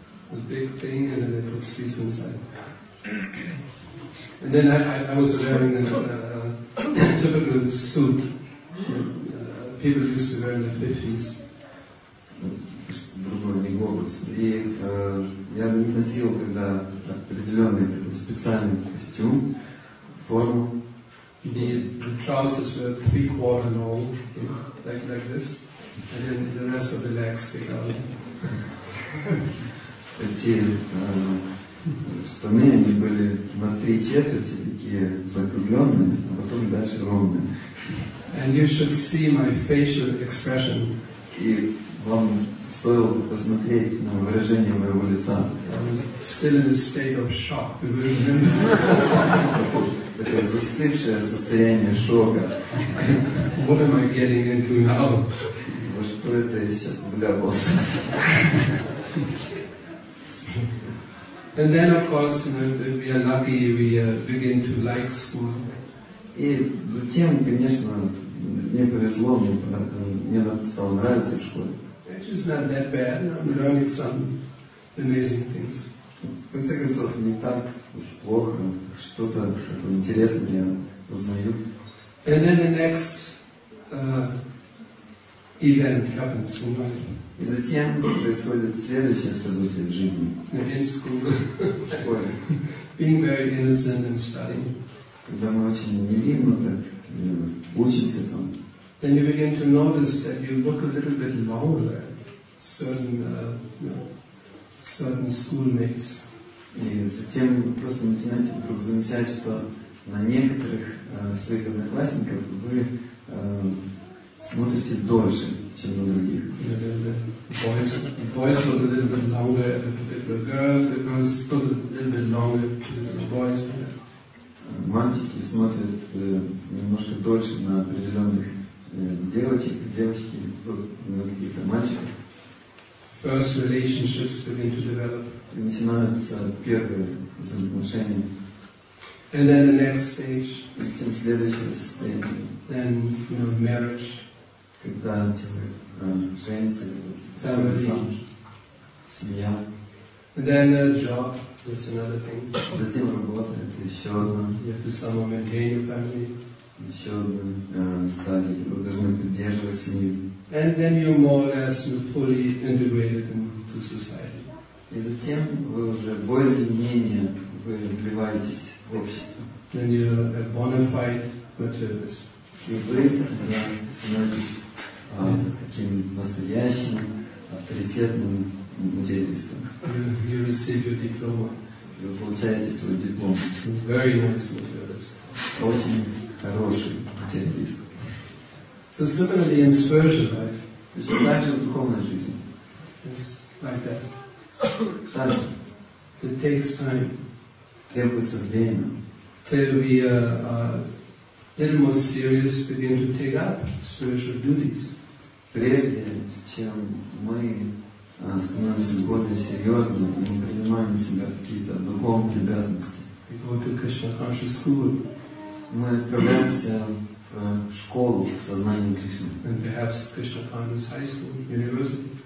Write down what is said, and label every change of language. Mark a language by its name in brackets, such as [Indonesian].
[English] It's a big thing, and then they put space inside. And then I was wearing a typical suit that people used to wear in the 50s. [Russian] Другой глобус. И я бы не носил когда определенный такой специальный костюм, форму. [English] The trousers were three-quarter long, you know, like this, and then the rest of the legs stick out. [Russian] Эти штаны, они были на три четверти такие закругленные, а потом дальше ровные. [English] And you should see my facial expression. [Russian] И вам стоило бы посмотреть на выражение моего лица. [English] Still in a state of shock. [Russian] Это застывшее состояние шока. [English] What am I getting into now? [Russian] Во что это я сейчас вляпался? [English] And then, of course, you know, if we are lucky, we begin to like school. [Russian] И затем, конечно, мне повезло, мне стало нравиться в школе. [English] It's not that bad. I'm learning some amazing things. [Russian] В конце концов, не так уж плохо. Что-то такое интересное я узнаю. [English] And then the next event happens in life. [Russian] И затем происходит следующее событие в жизни. [English] In school. [Russian] В школе. [English] Being very innocent and studying. [Russian] Когда мы очень невинно так учимся там. [English] Then you begin to notice that you look a little bit lower at certain, certain schoolmates. [Russian] И затем вы просто начинаете вдруг замечать, что на некоторых своих одноклассников вы смотрите дольше, чем на других. [English] Boys look a little bit longer at the girls, the girls look a little bit longer at the boys. [Russian] Мальчики смотрят немножко дольше на определенных девочек, девочки на каких-то мальчиков. [English] First relationships begin to develop. [Russian] Начинаются первые взаимоотношения. [English] And then the next stage. [Russian] И затем следующее состояние. [English] Then, you know, marriage. [Russian] Когда человек женится. [English] Family. [Russian] Семья. [English] And then a job. That's another thing. [Russian] Затем работа. Это еще одно. [English] You have to somehow maintain your family. [Russian] Еще одно стадия. Вы должны поддерживать семью. [English] And then you more or less you're fully integrated into society. [Russian] И затем вы уже более-менее вы вливаетесь в общество. [English] Then you're a bona fide materialist. [Russian] И вы становитесь таким настоящим авторитетным материалистом. [English] You receive your diploma. [Russian] Вы получаете свой диплом. [English] Very nice materialist. [Russian] Очень хороший материалист. [English] So similarly in spiritual life. [Russian] То есть также в духовной жизни. [English] It's like that. [Russian] Так. [English] It takes time. [Russian] Требуется время. [English] Till we then more serious begin to take up spiritual duties. [Russian] Прежде чем мы становимся более серьезными, мы принимаем на себя какие-то духовные обязанности. [English] We go to Krishna conscious school. [Russian] Мы отправляемся в школу сознания Кришны. [English] And perhaps Krishna conscious high school, university.